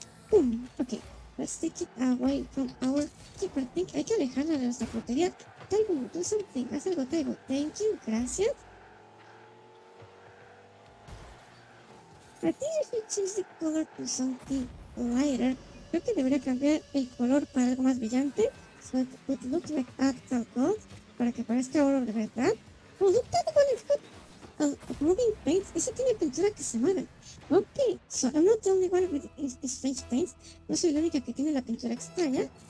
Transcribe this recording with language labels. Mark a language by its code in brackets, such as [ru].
[en] Boom. Okay, let's take it away from our keeper. I think I can [es] alejarla de nuestra portería. [en] Taibo, do something. [es] Haz algo, [en] Taibo. Thank you. [es] Gracias. [en] I think you should change the color to something lighter. [es] Creo que debería cambiar el color para algo más brillante. [en] So it would look like actual gold. [es] Para que parezca oro de verdad. [en] Oh, look at that one. It's got a moving paint. [es] Ese tiene pintura que se mueve. [en] Ok, so I'm not the only one with strange paints. [es] No soy la única que tiene la pintura extraña.